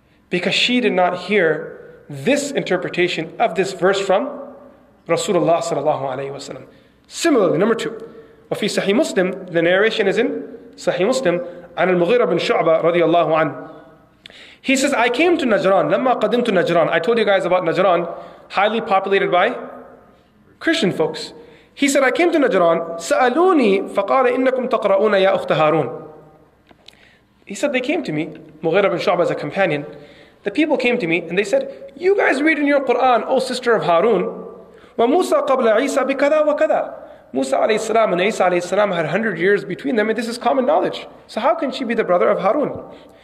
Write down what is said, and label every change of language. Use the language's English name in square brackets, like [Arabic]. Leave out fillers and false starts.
[English] Because she did not hear this interpretation of this verse from Rasulullah sallallahu alayhi wa sallam. Similarly, number two, [Arabic] وَفِي صَحِيْ مُسْلِمْ, [English] the narration is in صَحِيْ مُسْلِمْ, [Arabic] عَنَ الْمُغِيرَ بْنْ شُعْبَ [English] radiallahu anhu. He says, I came to Najran, [Arabic] لَمَّا قَدِمْتُ [English] Najran. I told you guys about Najran, highly populated by Christian folks. He said, I came to Najran, [Arabic] سألوني فقال إنكم تقرؤون يا أخت هارون. [English] He said, they came to me, Mughira bin Shu'bah as a companion. The people came to me and they said, you guys read in your Quran, O sister of Harun. [Arabic] وَمُوسَى قَبْلَ عِيسَى بِكَذَا وَكَذَا. [English] Musa alayhi salam and Isa alayhi salam had 100 years between them, and this is common knowledge. So how can she be the brother of Harun?